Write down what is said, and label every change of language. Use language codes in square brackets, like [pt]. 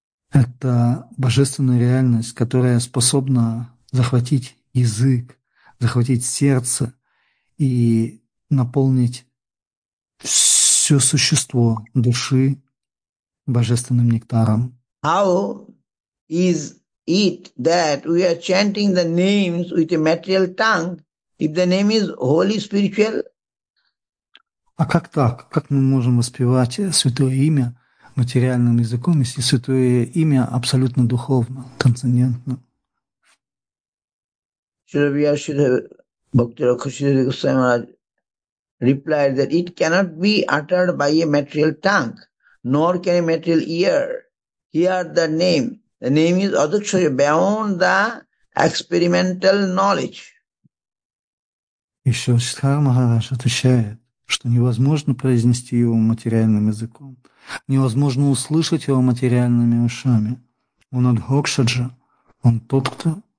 [ru] Это божественная реальность, которая способна захватить язык, захватить сердце и наполнить все существо души божественным нектаром. [en] How is it that we are chanting the names with a material tongue if the name is holy spiritual? [ru] А как так? Как мы можем воспевать святое имя материальным языком, если святое имя абсолютно духовно, трансцендентно? [en] Bhakti Rakshita Goswami replied that it cannot be uttered by a material tongue, nor can a material ear hear the name. The name is Adakshaya, beyond the experimental knowledge. [ru] Еще Шридхар Махарадж отвечает, что невозможно произнести его материальным языком, невозможно услышать его материальными ушами. Он Адхокшаджа, он тот, кто